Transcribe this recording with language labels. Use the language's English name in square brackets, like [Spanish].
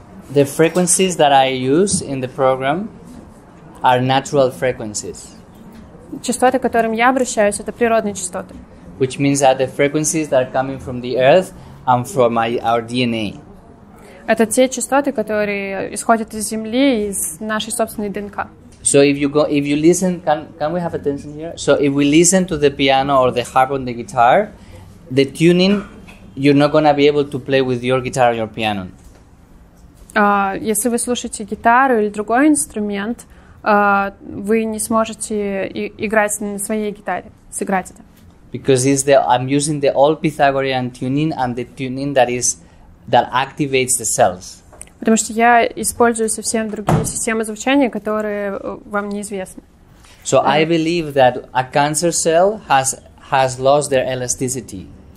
[English] The frequencies that I use in the program are natural frequencies. [Russian] Частоты, к которым я обращаюсь, это природные частоты. [English] Which means that the frequencies that are coming from the earth and from our DNA. [Russian] Это те частоты, которые исходят из земли, из нашей собственной ДНК. [English] So if you listen, can we have attention here? So if we listen to the piano or the harp on the guitar, the tuning, you're not going to be able to play with your guitar or your piano. [Russian] Если вы слушаете гитару или другой инструмент, вы не сможете играть на своей гитаре, сыграть это. [English] Because I'm using the old Pythagorean tuning and the tuning that activates the cells. [Russian] Потому что я использую совсем другие системы звучания, которые вам неизвестны. [English] So I believe that a cancer cell has lost their elasticity.